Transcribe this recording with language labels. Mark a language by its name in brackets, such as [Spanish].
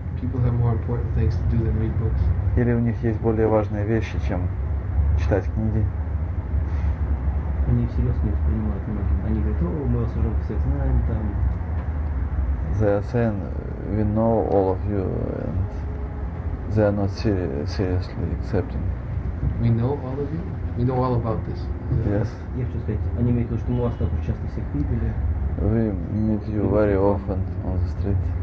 [English] People have more important things to do than read books. [Russian] Или у них есть более важные вещи, чем читать книги. Они всерьез не воспринимают многие. Они говорят, мы вас уже всех знаем там. [English] They are saying we know all of you and they are not seriously accepting. We know all of you? We know all about this. Yes. [Russian] Я хочу сказать, они имеют в виду, что мы вас так часто всех видели. [English] We meet you very often on the street.